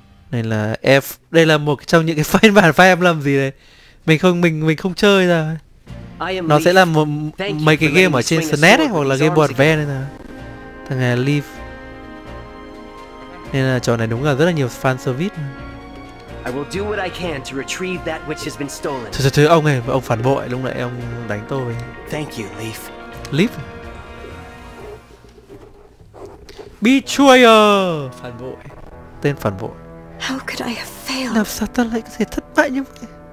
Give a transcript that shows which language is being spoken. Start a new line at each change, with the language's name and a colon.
Vietnamese: Này là F, đây là một trong những cái phiên bản Fire Emblem gì đấy. Mình không chơi ra. Nó sẽ là một mấy cái game ở trên SNES ấy hoặc là Game Boy Advance ấy nào. Thằng này là Leaf. Nên là trò này đúng là rất là nhiều fan service.
English: I will do what I can to retrieve that which has been stolen.
Vietnamese: Thôi, ông này, ông phản bội, lúc nãy ông đánh tôi.
English: Thank you, Leaf. Leaf. Betrayer.
Vietnamese: Phản bội. Tên phản bội.
English: How could I have failed?
Vietnamese: Làm sao ta lại có thể thất bại như vậy?